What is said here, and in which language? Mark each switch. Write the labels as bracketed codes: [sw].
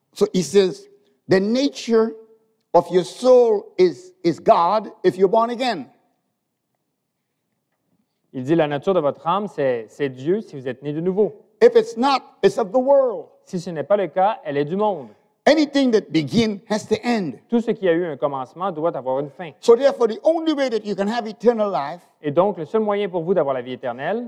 [en] So he says, the nature of your soul is God if you're born again. [fr] Il dit, la nature de votre âme, c'est Dieu si vous êtes né de nouveau. [en] If it's not, it's of the world. [fr] Si ce n'est pas le cas, elle est du monde. [en] Anything that begins has to end. [fr] Tout ce qui a eu un commencement doit avoir une fin. [en] So therefore, the only way that you can have eternal life. [fr] Et donc, le seul moyen pour vous d'avoir la vie éternelle.